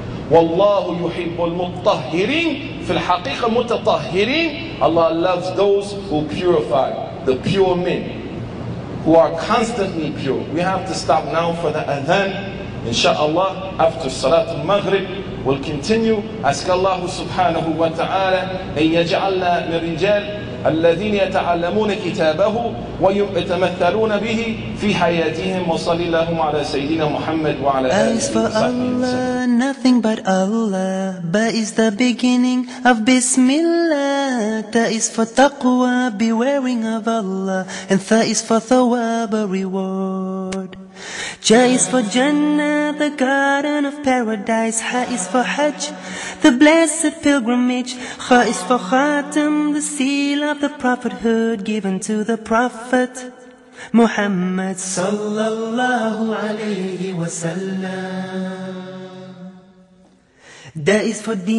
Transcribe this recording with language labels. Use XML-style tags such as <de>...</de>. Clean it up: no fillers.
<ar>وَاللَّهُ يُحِبُّ الْمُطَّهِّرِينَ فِي الْحَقِيقَ مُتَطَهِّرِينَ</ar> <en>Allah loves those who purify, the pure men, who are constantly pure. We have to stop now for the adhan. Insha'Allah, after Salat al-Maghrib, we'll continue. Ask Allah subhanahu wa ta'ala</en> <ar>أن يجعلنا من رجال الذين يتعلمون كتابه ويتمثلون به في حياتهم وصل اللهم على سيدنا محمد وعلى آله</ar> <en>As for Allah, nothing but Allah Ba is the beginning of Bismillah Ta is for taqwa, bewaring of Allah And tha is for thawab, a reward Ja is for Jannah, the garden of paradise Ha is for Hajj, the blessed pilgrimage Kha is for Khatam, the seal of the prophethood Given to the Prophet Muhammad Sallallahu alayhi wa sallam Da is for Deen</en>